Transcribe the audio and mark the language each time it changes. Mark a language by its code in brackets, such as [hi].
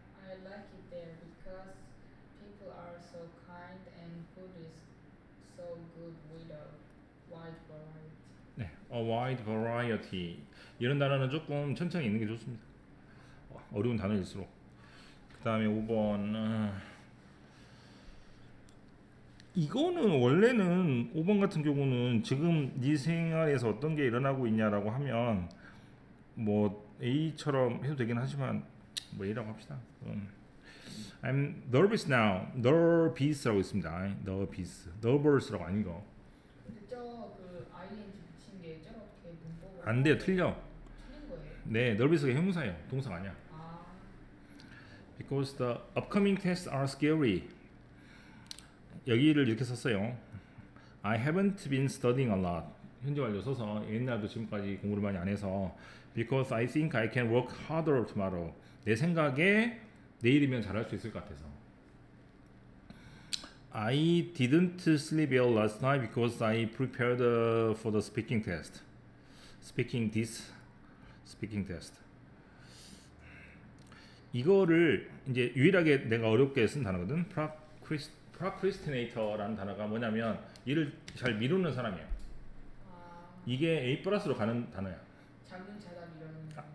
[en] I like it there because people are so kind and food is so good with a wide variety. [ko] 네, [en] a wide variety. [ko] 이런 단어는 조금 천천히 읽는 게 좋습니다. 어려운 단어일수록. 그 다음에 5번 이거는 원래는 5번 같은 경우는 지금 네 생활에서 어떤 게 일어나고 있냐라고 하면 뭐 A처럼 해도 되긴 하지만 뭐 A라고 합시다. [en] I'm nervous now. Nervous [ko] 라고 있습니다. [en] Nervous. [ko] Nervous라고 아닌 거. 근데 저 그 ing 붙인 게 저렇게 문법을 안 돼요. 틀려. 틀린 거예요? 네. Nervous가 형용사예요. 동사가 아니야. 아. [en] Because the upcoming tests are scary. [ko] 여기를 이렇게 썼어요. [en] I haven't been studying a lot. [ko] 현재 완료 써서 옛날도 지금까지 공부를 많이 안 해서 [en] because I think I can work harder tomorrow. [ko] 내 생각에 내일이면 잘할 수 있을 것 같아서. [en] I didn't sleep well last night because I prepared for the speaking test. Speaking test. [ko] 이거를 이제 유일하게 내가 어렵게 쓴 단어거든. Procrastinator라는 단어가 뭐냐면 일을 잘 미루는 사람이에요. 이게 A 플러스로 가는 단어야. 잠은 자다 미루는 거.